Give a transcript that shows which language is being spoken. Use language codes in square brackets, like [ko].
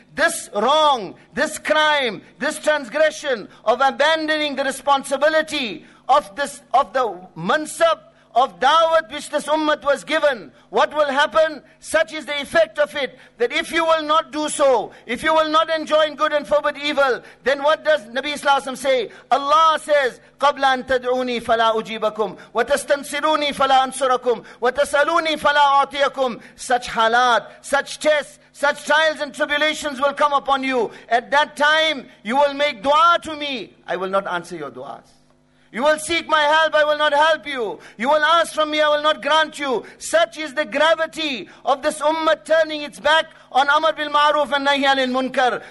[en] This wrong, this crime, this transgression of abandoning the responsibility of this, of the mansab, of da'wat which this ummah was given. What will happen? Such is the effect of it, that if you will not do so, if you will not enjoin good and forbid evil, then what does Nabi Sallallahu Alaihi Wasallam say? Allah says, [ar] قَبْلَ أَن تَدْعُونِي فَلَا أُجِيبَكُمْ وَتَسْتَنْصِرُونِي فَلَا أَنْصُرَكُمْ وَتَسْأَلُونِي فَلَا أَعْطِيَكُمْ. [en] Such halat, such tests, such trials and tribulations will come upon you. At that time, you will make dua to me, I will not answer your duas. You will seek my help, I will not help you. You will ask from me, I will not grant you. Such is the gravity of this ummah turning its back on Amar bil Ma'ruf and Nahi anil Munkar.